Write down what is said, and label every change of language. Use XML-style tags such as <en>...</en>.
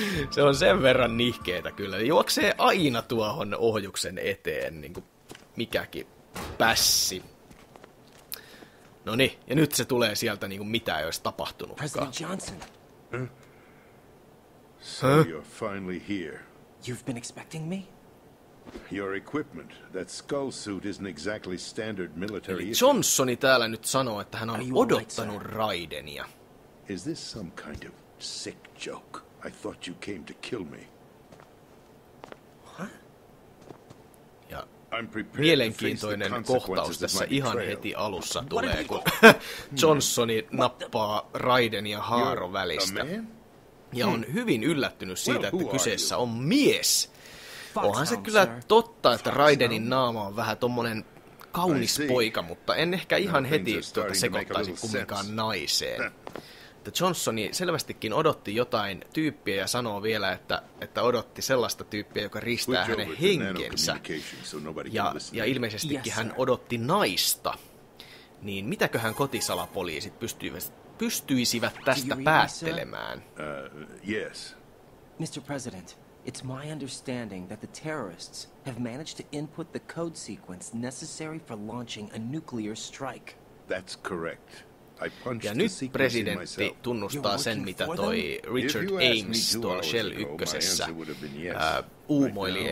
<fi>Se on sen verran nihkeetä kyllä. Juoksee aina tuohon ohjuksen eteen, niin kuin mikäkin pässi. No niin, ja nyt se tulee sieltä niin kuin mitä ei olisi tapahtunut.</fi> <en>President Johnson. So you're finally here. You've been expecting me? Your equipment, that skull suit isn't exactly standard military.</en> <fi>Eli Johnsoni täällä nyt sanoo, että hän on odottanut Raidenia.</fi> <en>Is this some kind of sick joke? I thought you came to kill me.</en> <fi>Ja mielenkiintoinen kohtaus tässä ihan heti alussa tulee, kun Johnsoni nappaa Raiden ja Haaron välistä. Ja on hyvin yllättynyt siitä, että kyseessä on mies. Onhan se kyllä totta, että Raidenin naama on vähän tommonen kaunis poika, mutta en ehkä ihan heti tuota sekoittaisi kumminkaan naiseen. Johnsoni selvästikin odotti jotain tyyppiä ja sanoo vielä, että odotti sellaista tyyppiä, joka ristää hänen henkensä. Ja ilmeisestikin hän odotti naista. Niin mitäköhän kotisalapoliisit pystyisivät tästä päättelemään?</fi> <en>Yes. Mr. President, it's my understanding that the terrorists have managed to input the code sequence necessary for launching a nuclear strike. That's correct.</en> <fi>Ja nyt presidentti tunnustaa sen, mitä toi Richard Ames tuolla Shell ykkösessä uumoili.</fi>